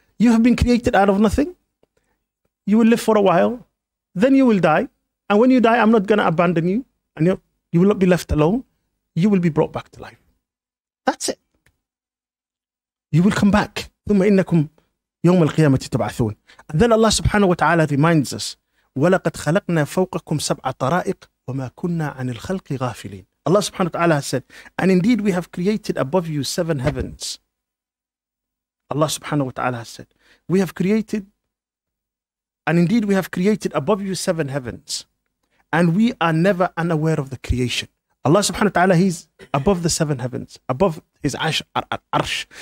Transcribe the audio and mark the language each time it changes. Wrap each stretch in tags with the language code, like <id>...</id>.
<en>You have been created out of nothing. You will live for a while. Then you will die. And when you die, I'm not going to abandon you. And you will not be left alone. You will be brought back to life. That's it. You will come back.</en> <ar>ثُمَّ إِنَّكُمْ يوم القيامة تبعثون.</ar> <en>And then Allah subhanahu wa ta'ala reminds us,</en> <ar>وَلَقَدْ خَلَقْنَا فَوْقَكُمْ سَبْعَ طَرَائِقَ وَمَا كُنَّا عَنِ الْخَلْقِ غَافِلِينَ.</ar> <en>Allah subhanahu wa ta'ala has said, and indeed we have created above you seven heavens. Allah subhanahu wa ta'ala has said, we have created, and indeed we have created above you seven heavens, and we are never unaware of the creation. Allah subhanahu wa ta'ala, he's above the seven heavens, above his arsh.</en>